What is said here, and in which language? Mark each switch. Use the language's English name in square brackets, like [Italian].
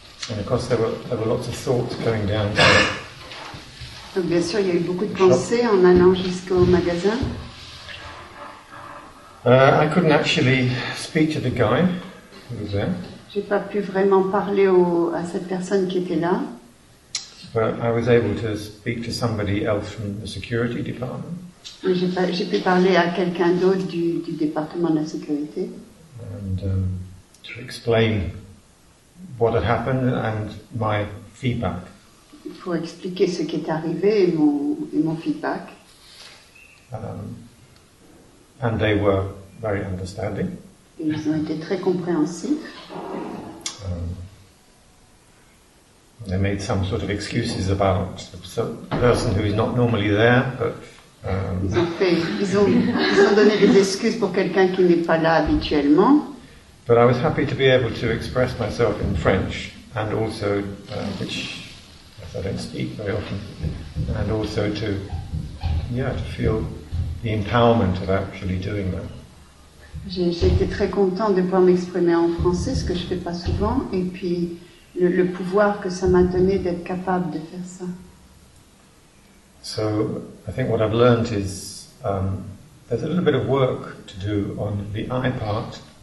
[English] And of course there were lots of thoughts going down. [French] Donc bien sûr, il y a eu beaucoup de pensées en allant jusqu'au magasin. [English] I couldn't actually speak to the guy who was there. [French] J'ai pas pu vraiment parler à cette personne qui était là. [English] But I was able to speak to somebody else from the security department. [French] J'ai pu parler à quelqu'un d'autre du département de la sécurité. [English] And to explain what had happened and my feedback. [French] Pour expliquer ce qui est arrivé et mon feedback. [English] And they were very understanding. [French] Ils ont été très compréhensifs. [English] They made some sort of excuses about a person who is not normally there, but. [French] Ils ont donné des excuses pour quelqu'un qui n'est pas là habituellement. [English] But I was happy to be able to express myself in French and also which. I don't speak very often, and also to feel the empowerment of actually doing that. [French] J'ai été très content de pouvoir m'exprimer en français, ce que je fais pas souvent, et puis le pouvoir que ça m'a donné d'être capable de faire ça. [English] So I think what I've learned is there's a little bit of work to do on the I part.